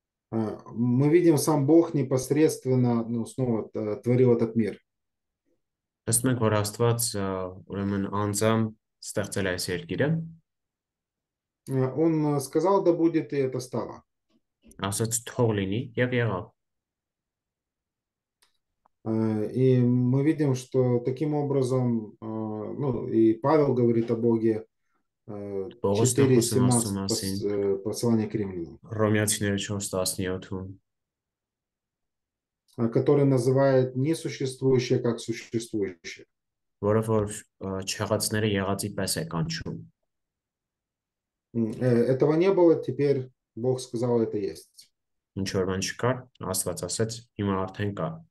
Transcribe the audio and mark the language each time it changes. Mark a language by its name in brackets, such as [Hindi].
[Russian] Мы видим, сам Бог непосредственно, ну, снова творил этот мир. [Armenian] Ասենք որ Աստված ուրեմն անձամբ ստեղծել է այս երկիրը։ [Russian] Он сказал, да будет, и это стало. [Armenian] Ասաց թող լինի եւ եղավ։ [Russian] И мы видим, что таким образом, ну, и Павел говорит о Боге 4:17 послание к римлянам, [Armenian] Ռոմեացիներ 4:17-ում, [Russian] который называет несуществующее как существующее. [Armenian] Որը որ չեղածները եղածի պես է կանչում։ [Russian] Этого не было, теперь Бог сказал, это есть. [Armenian] Ինչ որ բան չկար, Աստված ասեց, հիմա արդեն կա։